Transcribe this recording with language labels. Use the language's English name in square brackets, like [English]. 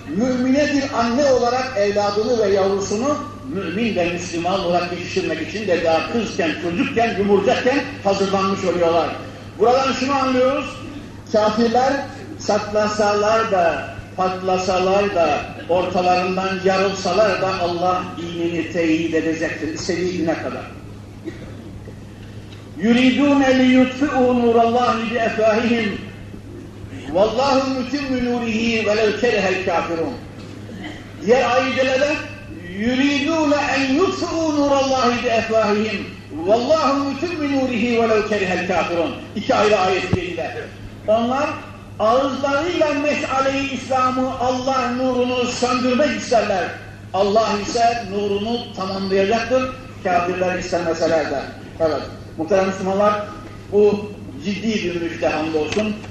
[Turkish] Mümine bir anne olarak evladını ve yavrusunu mümin ve Müslüman olarak yetiştirmek için de daha kızken, çocukken, yumurcakken hazırlanmış oluyorlar. Buradan şunu anlıyoruz, kafirler saklasalar da, patlasalar da, ortalarından yarılsalar da Allah dinini teyit edecektir istediği güne kadar. [Arabic] يُرِيدُونَ لِيُطْفِعُوا نُورَ اللّٰهِ بِأَفْوَاهِهِمْ وَاللّٰهُ مُتِمُّ نُورِهِ وَلَوْ كَرِهَ الْكَافِرُونَ [Turkish] Diğer ayetlerde [Arabic] يُرِيدُونَ اَنْ يُطْفِعُوا نُورَ اللّٰهِ بِأَفْوَاهِهِمْ وَاللّٰهُ مُتِمُّ نُورِهِ وَلَوْ كَرِهَ الْكَافِرُونَ [Turkish] İki ayrı ayet geliyle. Onlar ağızlarıyla meşale-i İslam'ı, Allah nurunu söndürmek isterler. Allah ise nurunu tamamlayacaktır kafirler istemeseler de. Evet. Muhterem Müslümanlar, bu ciddi bir müjde hamdolsun.